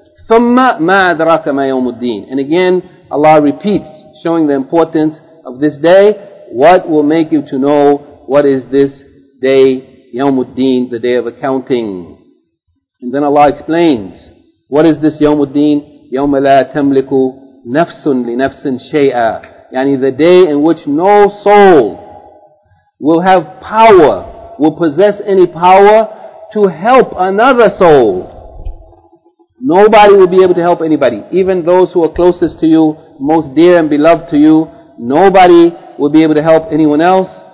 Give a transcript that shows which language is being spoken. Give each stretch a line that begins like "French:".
Arabic: ثُمَّ مَا أَدْرَاكَ مَا يَوْمُ الدِّينِ.
English: And again, Allah repeats, showing the importance of this day. What will make you to know what is this day, يوم الدين, the day of accounting? And then Allah explains, what is this يوم الدين?
Arabic: يوم لا تملك نفس لنفس شيئا.
English: Yani the day in which no soul will have power, will possess any power to help another soul. Nobody will be able to help anybody. Even those who are closest to you, most dear and beloved to you, nobody will be able to help anyone else.